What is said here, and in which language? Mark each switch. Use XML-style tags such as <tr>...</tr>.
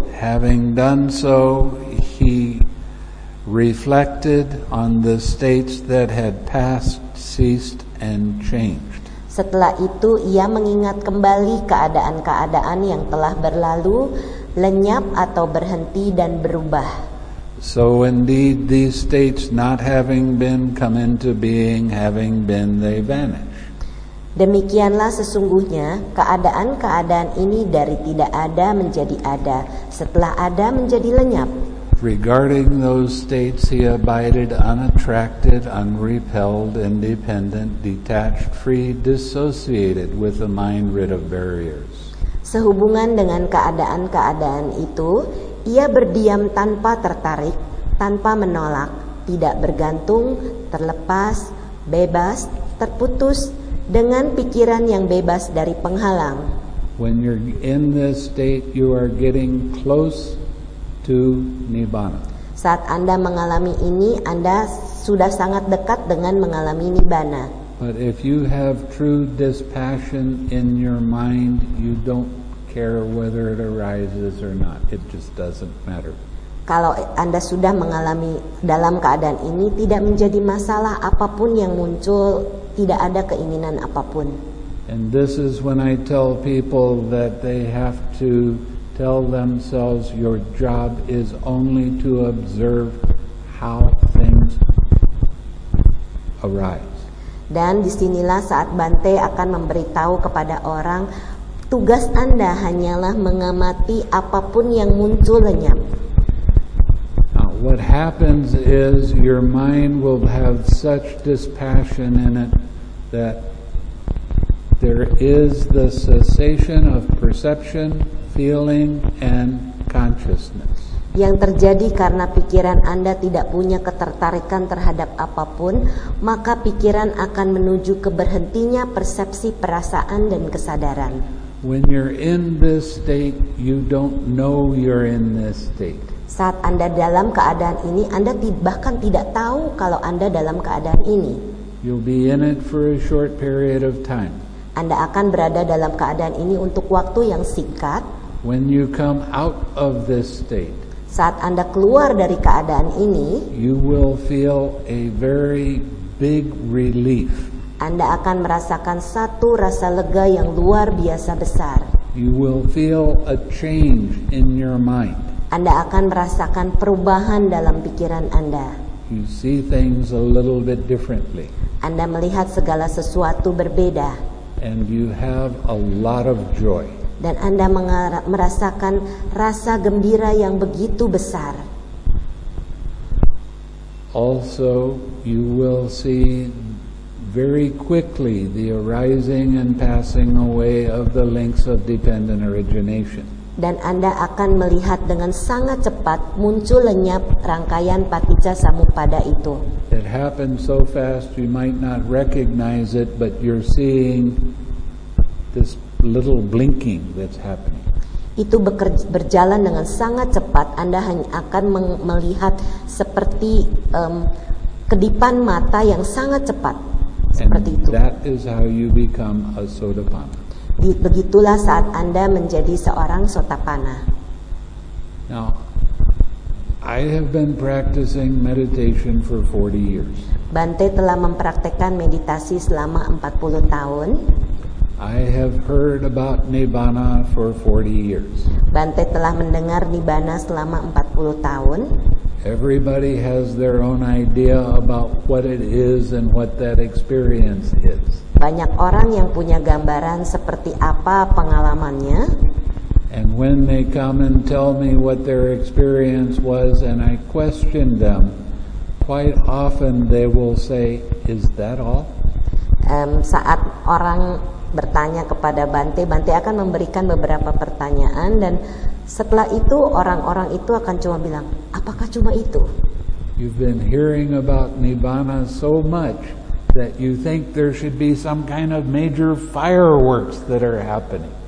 <en>Having done so, he reflected on the states that had passed, ceased, and changed.</en> <id>Setelah itu, ia mengingat kembali keadaan-keadaan yang telah berlalu, lenyap atau berhenti dan berubah.</id> <en>So indeed, these states not having been come into being, having been they vanish.</en> <id>Demikianlah sesungguhnya keadaan-keadaan ini dari tidak ada menjadi ada, setelah ada menjadi lenyap.</id> <en>Regarding those states, he abided unattracted, unrepelled, independent, detached, free, dissociated, with a mind rid of barriers.</en> <id>Sehubungan dengan keadaan-keadaan itu, ia berdiam tanpa tertarik, tanpa menolak, tidak bergantung, terlepas, bebas, terputus, dengan pikiran yang bebas dari penghalang.</id> <en>When you're in this state, you are getting close to nibbana.</en> <id>Saat Anda mengalami ini, Anda sudah sangat dekat dengan mengalami nibbana.</id> <en>But if you have true dispassion in your mind, you don't care whether it arises or not. It just doesn't matter.</en> <id>Kalau Anda sudah mengalami dalam keadaan ini, tidak menjadi masalah apapun yang muncul, tidak ada keinginan apapun.</id> <en>And this is when I tell people that they have to tell themselves your job is only to observe how things arise.</en> <id>Dan disinilah saat Bante akan memberitahu kepada orang, tugas Anda hanyalah mengamati apapun yang muncul lenyap.</id> <en>What happens is your mind will have such dispassion in it that there is the cessation of perception, feeling, and consciousness.</en> <id>Yang terjadi karena pikiran Anda tidak punya ketertarikan terhadap apapun, maka pikiran akan menuju keberhentinya persepsi, perasaan, dan kesadaran.</id> <en>When you're in this state, you don't know you're in this state.</en> <id>Saat Anda dalam keadaan ini, Anda bahkan tidak tahu kalau Anda dalam keadaan ini.</id> <en>You'll be in it for a short period of time.</en> <id>Anda akan berada dalam keadaan ini untuk waktu yang singkat.</id> <en>When you come out of this state,</en> <id>saat Anda keluar dari keadaan ini,</id> <en>you will feel a very big relief.</en> <id>Anda akan merasakan satu rasa lega yang luar biasa besar.</id> <en>You will feel a change in your mind.</en> <id>Anda akan merasakan perubahan dalam pikiran Anda.</id> <en>You see things a little bit differently.</en> <id>Anda melihat segala sesuatu berbeda.</id> <en>And you have a lot of joy.</en> <id>Dan Anda merasakan rasa gembira yang begitu besar.</id> <en>Also, you will see very quickly the arising and passing away of the links of dependent origination.</en> <id>Dan Anda akan melihat dengan sangat cepat muncul lenyap rangkaian paticca samuppada itu.</id> <en>It happens so fast you might not recognize it, but you're seeing this little blinking that's happening.</en> <id>Itu berjalan dengan sangat cepat, Anda hanya akan melihat seperti kedipan mata yang sangat cepat. Seperti</id> <en>and</en> <id>itu.</id> <en>That is how you become a Sotapanna.</en> <id>Begitulah saat Anda menjadi seorang Sotapanna.</id> <en>Now, I have been practicing meditation for 40 years.</en> <id>Bante telah mempraktikkan meditasi selama 40 tahun.</id> <en>I have heard about Nibbana for 40 years.</en> <id>Bante telah mendengar Nibbana selama 40 tahun.</id> <en>Everybody has their own idea about what it is and what that experience is.</en> <id>Banyak orang yang punya gambaran seperti apa pengalamannya.</id> <en>And when they come and tell me what their experience was and I question them, quite often they will say, "Is that all?"</en> <id>Saat orang bertanya kepada Bante, Bante akan memberikan beberapa pertanyaan dan setelah itu orang-orang itu akan cuma bilang, apakah cuma itu?</id> <en>You've been hearing about Nibbana so much that you think there should be some kind of major fireworks that are happening.</en>